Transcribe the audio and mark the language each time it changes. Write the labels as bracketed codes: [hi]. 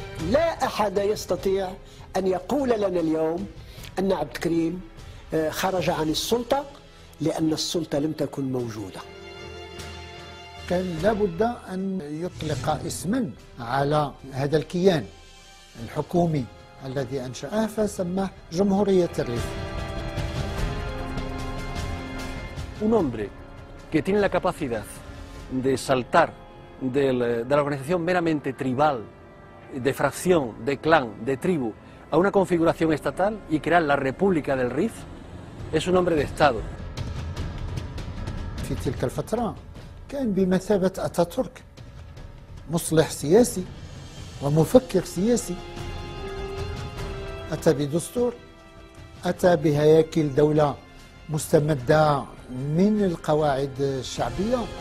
[ar] لا أحد يستطيع أن يقول لنا اليوم أن عبد الكريم خرج عن السلطة، لأن السلطة لم تكن موجودة. كان لابد أن يطلق اسما على هذا الكيان الحكومي الذي أنشأه فسماه جمهورية الريف. [es] Un hombre que tiene la capacidad de saltar de la organización meramente tribal, de fracción, de clan, de tribu, a una configuración estatal y crear la República del Rif, es un hombre de Estado. [ar] في تلك الفترة كان بمثابة أتاتورك مصلح سياسي ومفكر سياسي أتى بدستور أتى بهياكل دولة مستمدة من القواعد الشعبية